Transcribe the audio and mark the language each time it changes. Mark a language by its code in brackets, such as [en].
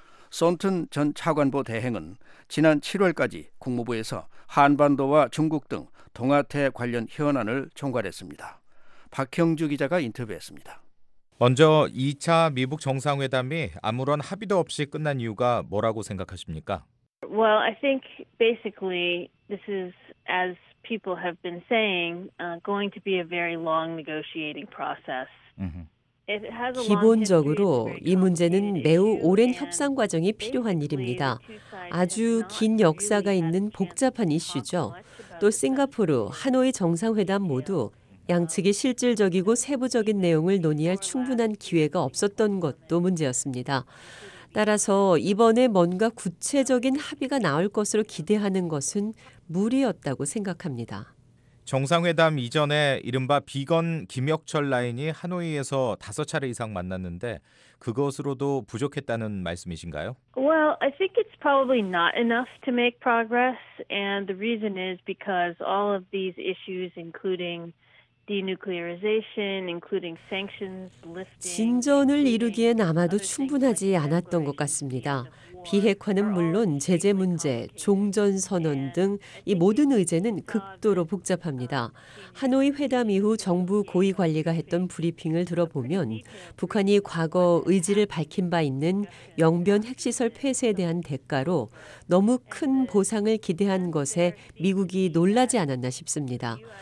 [ko] 손튼 전 차관보 대행은 지난 7월까지 국무부에서 한반도와 중국 등 동아태 관련 현안을 총괄했습니다. 박형주 기자가 인터뷰했습니다. 먼저 2차 미북 정상회담이 아무런 합의도 없이 끝난 이유가 뭐라고 생각하십니까? [en] Well, I think basically this is as people have been saying, going to be a very long negotiating process. [ko] 기본적으로 이 문제는 매우 오랜 협상 과정이 필요한 일입니다. 아주 긴 역사가 있는 복잡한 이슈죠. 또 싱가포르, 하노이 정상회담 모두 양측이 실질적이고 세부적인 내용을 논의할 충분한 기회가 없었던 것도 문제였습니다. 따라서 이번에 뭔가 구체적인 합의가 나올 것으로 기대하는 것은 무리였다고 생각합니다. 정상회담 이전에 이른바 비건 김혁철 라인이 하노이에서 5차례 이상 만났는데 그것으로도 부족했다는 말씀이신가요? [en] Well, I think it's probably not enough to make progress and the reason is because all of these issues including denuclearization, including sanctions lifting. [ko] 진전을 이루기엔 아마도 충분하지 않았던 것 같습니다. 비핵화는 물론 제재 문제, 종전 선언 등 이 모든 의제는 극도로 복잡합니다. 하노이 회담 이후 정부 고위 관리가 했던 브리핑을 들어보면 북한이 과거 의지를 밝힌 바 있는 영변 핵시설 폐쇄에 대한 대가로 너무 큰 보상을 기대한 것에 미국이 놀라지 않았나 싶습니다.